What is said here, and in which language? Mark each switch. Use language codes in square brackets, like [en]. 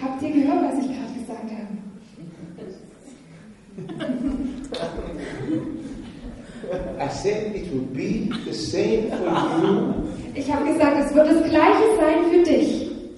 [de] Habt ihr gehört, was ich gerade gesagt habe? [en] I said it will be the same for you. [de] Ich habe gesagt, es wird das Gleiche sein für dich.